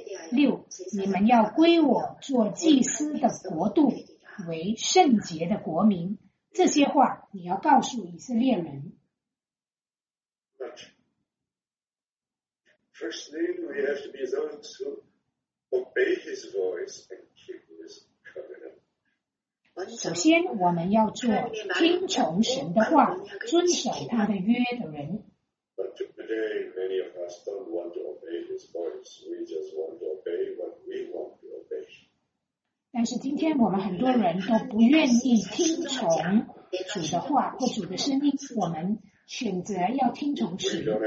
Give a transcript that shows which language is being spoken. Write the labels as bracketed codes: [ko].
[zh] 六，你们要归我做祭司的国度，为圣洁的国民。这些话你要告诉以色列人。 [en] Firstly, we have to be those who obey His voice and keep His covenant. [zh] 首先，我们要做听从神的话、遵守他的约的人。 [en] But today, many of us don't want to obey His voice. We just want to obey what we want to obey. [zh] 但是今天我们很多人都不愿意听从主的话或主的声音，我们选择要听从谁？